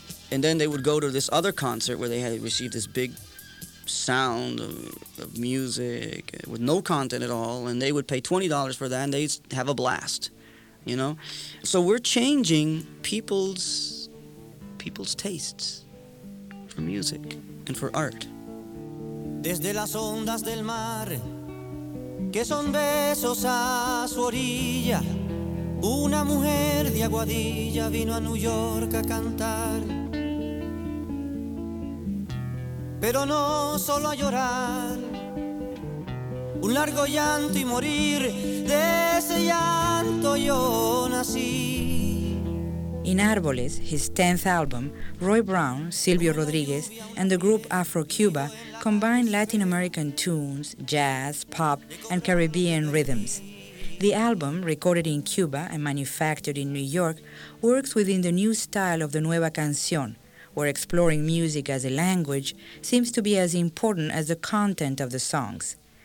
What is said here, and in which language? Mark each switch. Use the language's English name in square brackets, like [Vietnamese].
[English] And then they would go to this other concert where they had received this big sound of music with no content at all, and they would pay $20 for that, and they'd have a blast, you know? So we're changing people's tastes for music and for art. [Spanish] Desde las ondas del mar, que son besos a su orilla, una mujer de Aguadilla vino a New York a cantar. Pero no solo a llorar, un largo llanto y morir, de ese llanto yo nací. [English] In Árboles, his 10th album, Roy Brown, Silvio Rodriguez, and the group Afro Cuba combine Latin American tunes, jazz, pop, and Caribbean rhythms. The album, recorded in Cuba and manufactured in New York, works within the new style of the Nueva Canción, where exploring music as a language seems to be as important as the content of the songs.